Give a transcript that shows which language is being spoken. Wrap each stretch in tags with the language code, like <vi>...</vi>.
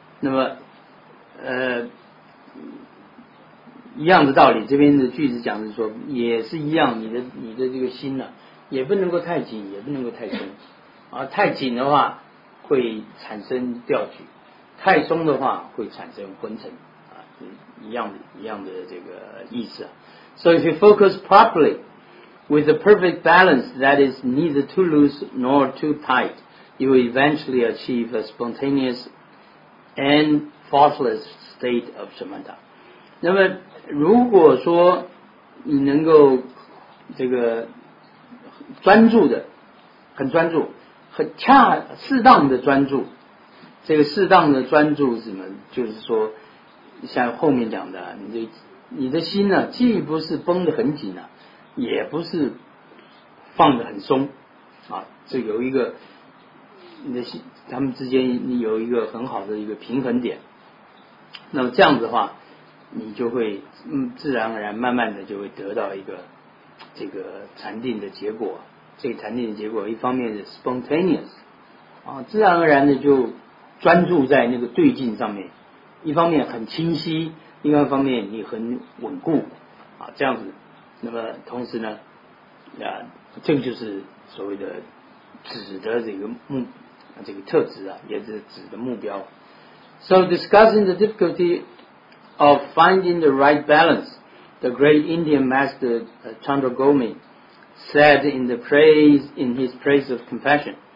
<zh>那么，一样的道理，这边的句子讲的是说，也是一样，你的这个心呢、啊，也不能够太紧，也不能够太松。啊，太紧的话会产生调曲，太松的话会产生昏沉，啊，一样的这个意思啊。</zh> <en>So if you focus properly with a perfect balance that is neither too loose nor too tight, you will eventually achieve a spontaneous and faultless state of shamatha.</en> <zh>那么如果说你能够这个专注的，很专注。很恰适当的专注，这个适当的专注是什么？就是说，像后面讲的，你的心呢、啊，既不是绷得很紧呢、啊，也不是放得很松，啊，这有一个你的心，他们之间你有一个很好的一个平衡点。那么这样子的话，你就会自然而然慢慢的就会得到一个这个禅定的结果。这个禅定的结果一方面是 spontaneous、啊、自然而然的就专注在那个对境上面，一方面很清晰，另外一方面你很稳固、啊、这样子。那么同时呢、啊、这个就是所谓的止的这个目、啊、这个特质啊，也是止的目标。</zh> <en>So discussing the difficulty of finding the right balance, the great Indian master Chandra Gomi said in his praise of compassion.</en>